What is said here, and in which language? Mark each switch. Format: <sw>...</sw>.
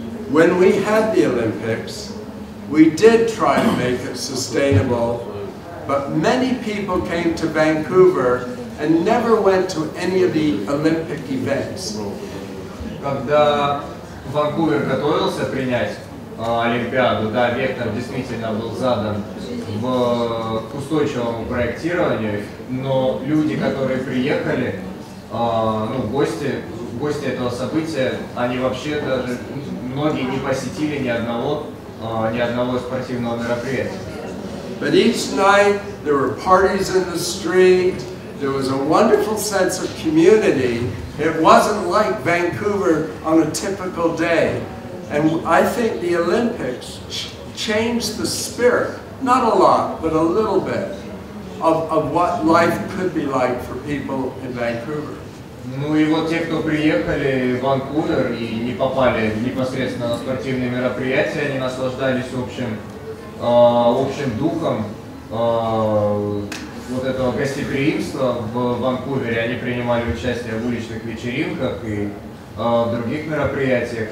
<en>When we had the Olympics, we did try to make it sustainable, but many people came to Vancouver and never went to any of the Olympic events.</en> <ru>Когда Ванкувер готовился принять Олимпиаду, да, вектор действительно был задан к устойчивому проектированию, но люди, которые приехали, ну, гости этого события, они вообще даже, многие не посетили ни одного спортивного мероприятия.</ru> <en>But each night there were parties in the street, there was a wonderful sense of community. It wasn't like Vancouver on a typical day. And I think the Olympics changed the spirit, not a lot, but a little bit. of what life could be like for people in Vancouver.</en> <ru>Ну и вот те, кто приехали в Ванкувер и не попали непосредственно на спортивные мероприятия, они наслаждались общим духом вот этого гостеприимства в Ванкувере. Они принимали участие в уличных вечеринках и в других мероприятиях.</ru>